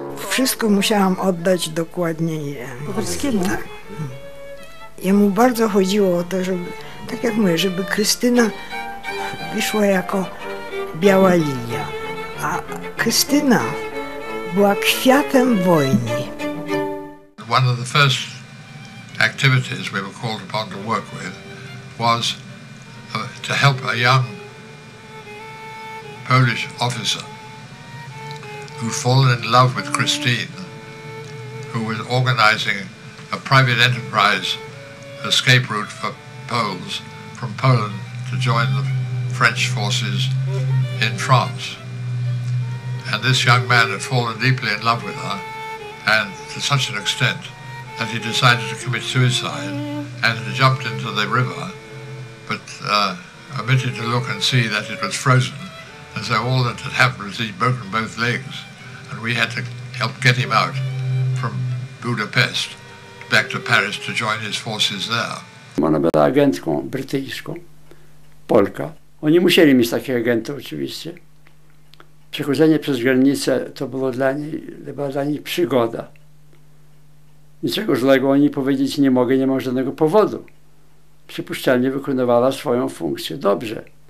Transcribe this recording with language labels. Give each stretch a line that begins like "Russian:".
Polish: Wszystko musiałam oddać dokładnie Kowalskiemu. Tak. Jemu bardzo chodziło o to, żeby, tak jak mówię, żeby Krystyna wyszła jako biała linia, a Krystyna była kwiatem wojny.
English: One of the first activities we were called upon to work with was to help a young Polish officer who'd fallen in love with Christine, who was organizing a private enterprise escape route for Poles from Poland to join the French forces in France. And this young man had fallen deeply in love with her, and to such an extent that he decided to commit suicide and had jumped into the river, but omitted to look and see that it was frozen. And so all that had happened was he'd broken both legs. And we had to help get him out from Budapest back to Paris to join his forces there.
Polish: Ona była agentką brytyjską, Polka. Oni musieli mieć takie agenty oczywiście. Przechodzenie przez granicę to było dla niej, przygoda. Niczego złego oni powiedzieć nie mogę, nie mam żadnego powodu. Przypuszczalnie wykonywała swoją funkcję dobrze.